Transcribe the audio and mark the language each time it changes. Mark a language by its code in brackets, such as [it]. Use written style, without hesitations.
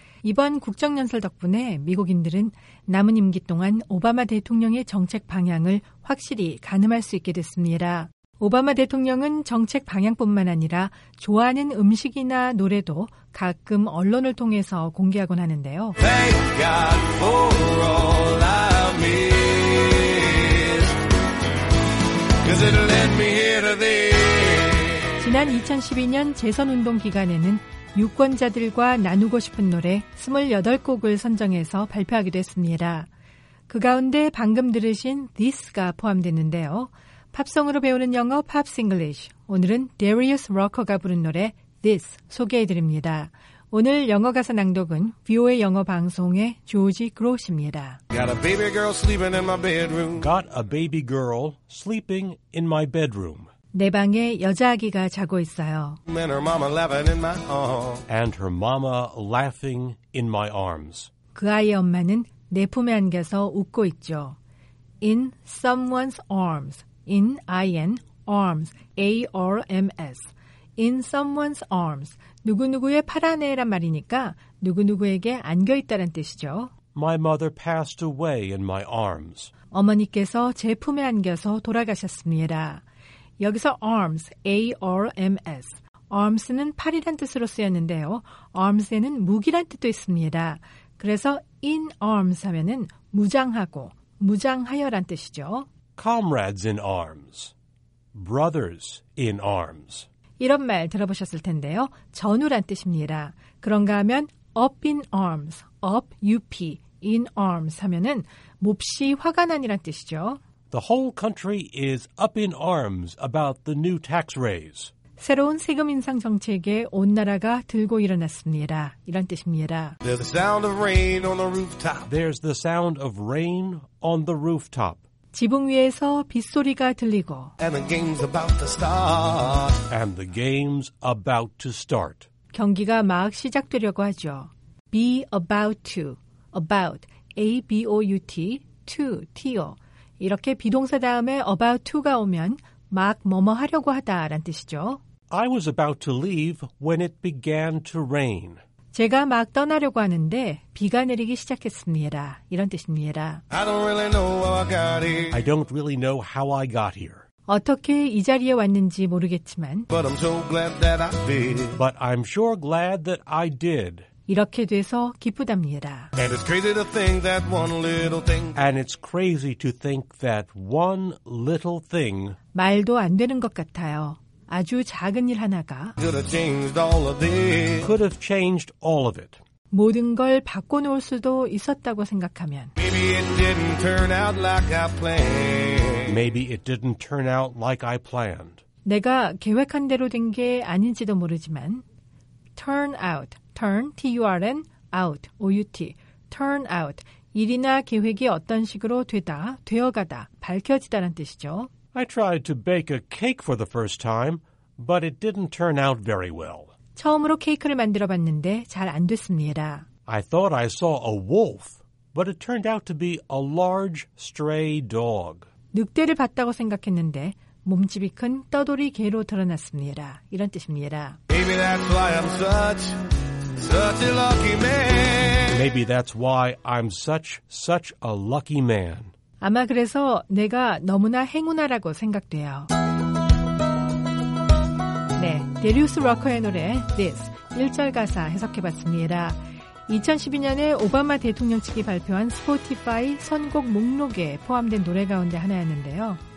[ko] 이번 국정연설 덕분에 미국인들은 남은 임기 동안 오바마 대통령의 정책 방향을 확실히 가늠할 수 있게 됐습니다. 오바마 대통령은 정책 방향뿐만 아니라 좋아하는 음식이나 노래도 가끔 언론을 통해서 공개하곤 하는데요. [en] Thank God for all I miss, 'cause it led me here today. [ko] 지난 2012년 재선운동 기간에는 유권자들과 나누고 싶은 노래 28곡을 선정해서 발표하기도 했습니다. 그 가운데 방금 들으신 This가 포함됐는데요. 팝송으로 배우는 영어 Pops English. 오늘은 Darius Rucker가 부른 노래 This 소개해드립니다. 오늘 영어 가사 낭독은 VOA 영어 방송의 조지 그로스입니다. [en] Got a baby girl sleeping in my bedroom. Got a baby girl sleeping in my bedroom. [ko] 내 방에 여자아기가 자고 있어요. [en] And her mama laughing in my arms. And her mama laughing in my arms. [ko] 그 아이의 엄마는 내 품에 안겨서 웃고 있죠. [en] In someone's arms. In I-N, arms, A-R-M-S. In someone's arms. [ko] 누구누구의 팔 안에란 말이니까 누구누구에게 안겨있다란 뜻이죠. [en] My mother passed away in my arms. [ko] 어머니께서 제 품에 안겨서 돌아가셨습니다. 여기서 arms, A-R-M-S. arms는 팔이란 뜻으로 쓰였는데요. arms에는 무기란 뜻도 있습니다. 그래서 in arms 하면은 무장하고, 무장하여란 뜻이죠. [en] Comrades in arms, brothers in arms. [ko] 이런 말 들어보셨을 텐데요. 전우란 뜻입니다. 그런가 하면 up in arms, up, up, in arms 하면은 몹시 화가 난이란 뜻이죠. [en] The whole country is up in arms about the new tax raise. [ko] 새로운 세금 인상 정책에 온 나라가 들고 일어났습니다. 이런 뜻입니다. [en] There's the sound of rain on the rooftop. There's the sound of rain on the rooftop. [ko] 지붕 위에서 빗소리가 들리고 [en] And the game's about to start. And the game's about to start. [ko] 경기가 막 시작되려고 하죠. [en] Be about to. About. A-B-O-U-T. To. T-O. [ko] 이렇게 비동사 다음에 about to가 오면 막 뭐뭐 하려고 하다란 뜻이죠. [en] I was about to leave when it began to rain. [ko] 제가 막 떠나려고 하는데 비가 내리기 시작했습니다. 이런 뜻입니다. [en] I don't really know how I got here. I don't really know how I got here. [ko] 어떻게 이 자리에 왔는지 모르겠지만 [en] But I'm so glad that I did. But I'm sure glad that I did. [ko] 이렇게 돼서 기쁘답니다. [en] And it's crazy to think that one little thing. And it's crazy to think that one little thing. [ko] 말도 안 되는 것 같아요. 아주 작은 일 하나가 [en] could have changed all of it. Could have changed all of it. [ko] 모든 걸 바꿔놓을 수도 있었다고 생각하면 [en] Maybe it didn't turn out like I planned. Maybe it didn't turn out like I planned. [ko] 내가 계획한 대로 된 게 아닌지도 모르지만 [en] turn out, turn, T-U-R-N, out, O-U-T, turn out, [ko] 일이나 계획이 어떤 식으로 되다, 되어가다, 밝혀지다란 뜻이죠. [en] I tried to bake a cake for the first time, but it didn't turn out very well. [ko] 처음으로 케이크를 만들어 봤는데 잘 안 됐습니다. [en] I thought I saw a wolf, but it turned out to be a large stray dog. [ko] 늑대를 봤다고 생각했는데 몸집이 큰 떠돌이 개로 드러났습니다. 이런 뜻입니다. [en] Maybe that's why I'm such a lucky man. Maybe that's why I'm such a lucky man. [ko] 아마 그래서 내가 너무나 행운하라고 생각돼요. 네, 데리우스 러커의 노래 This 1절 가사 해석해봤습니다. 2012년에 오바마 대통령 측이 발표한 스포티파이 선곡 목록에 포함된 노래 가운데 하나였는데요.